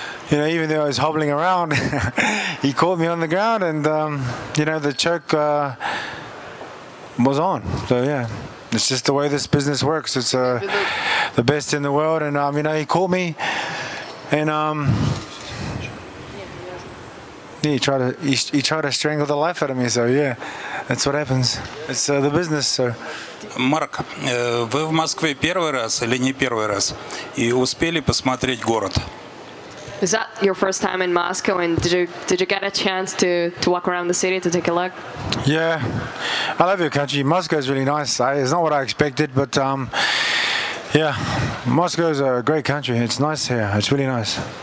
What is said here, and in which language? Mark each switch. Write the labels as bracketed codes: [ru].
[en] You know, even though I was hobbling around, he caught me on the ground, and you know, the choke was on. So yeah, it's just the way this business works. It's the best in the world, and you know, he caught me, and he tried to strangle the life out of me. So yeah, that's what happens. It's the business. So. [ru] Марк, вы в Москве первый раз или не первый раз? И успели посмотреть город? [en] Is that your first time in Moscow, and did you get a chance to walk around the city to take a look? Yeah, I love your country. Moscow is really nice. It's not what I expected, but yeah, Moscow is a great country. It's nice here. It's really nice.